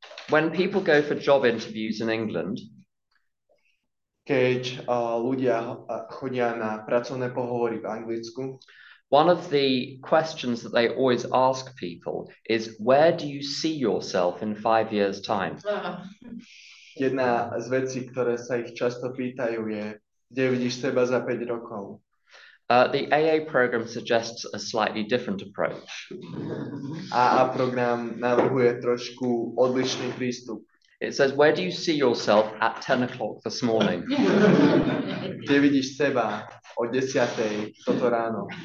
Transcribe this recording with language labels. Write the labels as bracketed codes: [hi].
[en] When people go for job interviews in England, [sk] keď ľudia chodia na pracovné pohovory v Anglicku, [en] one of the questions that they always ask people is, where do you see yourself in 5 years time? [sk] Jedna z vecí, ktoré sa ich často pýtajú, je, kde vidíš seba za 5 rokov? [en] The AA program suggests a slightly different approach. [sk] AA program navrhuje trošku odlišný prístup. [en] It says, where do you see yourself at 10 o'clock this morning? [sk] Kde vidíš seba o 10. toto ráno?